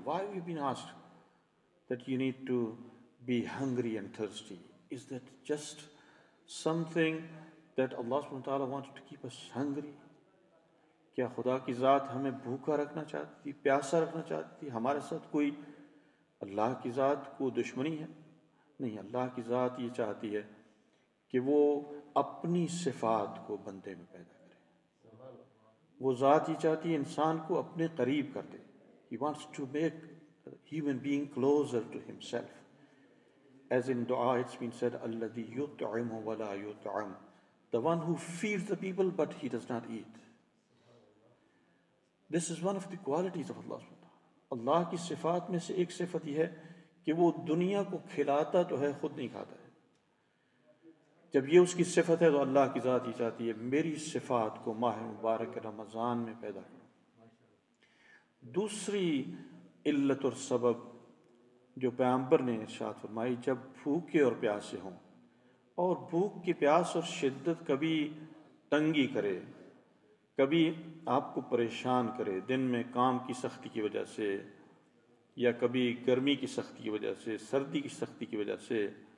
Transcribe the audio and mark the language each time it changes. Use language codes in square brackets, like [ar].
[en] Why have you been asked that you need to be hungry and thirsty? Is that just something that Allah subhanahu wa ta'ala wanted to keep us hungry? [ur] کیا خدا کی ذات ہمیں بھوکا رکھنا چاہتی تھی، پیاسا رکھنا چاہتی تھی؟ ہمارے ساتھ کوئی اللہ کی ذات کو دشمنی ہے؟ نہیں، اللہ کی ذات یہ چاہتی ہے کہ وہ اپنی صفات کو بندے میں پیدا کرے. وہ ذات یہ چاہتی ہے انسان کو اپنے قریب کر دے. [en] He wants to make a human being closer to himself. As in dua it's been said, [ar] الَّذِي يُطْعِمُ وَلَا يُطْعَمُ، [en] the one who feeds the people but he does not eat. This is one of the qualities of Allah. [ur] اللہ کی صفات میں سے ایک صفت یہ ہے کہ وہ دنیا کو کھلاتا تو ہے، خود نہیں کھاتا ہے. جب یہ اس کی صفت ہے تو اللہ کی ذات ہی چاہتی ہے میری صفات کو ماہ مبارک رمضان میں پیدا کروں. دوسری علت اور سبب جو پیغمبر نے ارشاد فرمائی، جب بھوکے اور پیاسے ہوں، اور بھوک کی پیاس اور شدت کبھی تنگی کرے، کبھی آپ کو پریشان کرے، دن میں کام کی سختی کی وجہ سے، یا کبھی گرمی کی سختی کی وجہ سے، سردی کی سختی کی وجہ سے،